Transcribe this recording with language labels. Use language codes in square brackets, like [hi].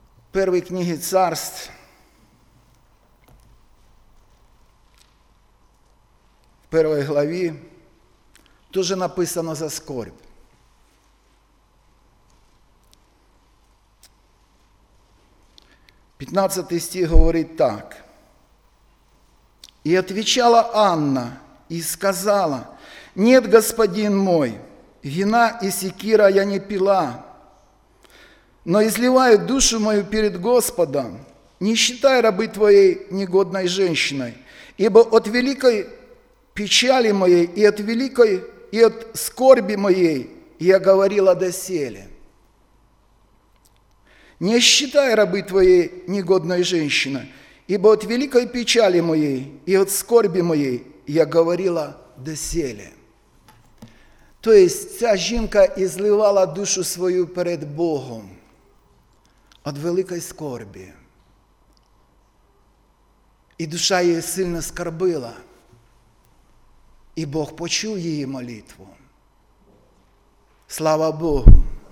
[uk] Перші книги царств, 1 главі, дуже написано за скорбь. П'ятнадцятий стих говорить так. «І відповіла Анна і сказала, [ru] «Нет, господин мой, вина і секира я не пила, но изливаю душу мою перед Господом, не считай рабы твоей негодной женщиной, ибо от великой печали моей и от великой и от скорби моей я говорила доселе. Не считай рабы твоей негодной женщиной, ибо от великой печали моей и от скорби моей я говорила доселе». То есть, [uk] ця жінка [ru] изливала [uk] душу свою перед Богом. От великої скорбі. І душа її сильно скорбила. И Бог почув її молитву. Слава Богу!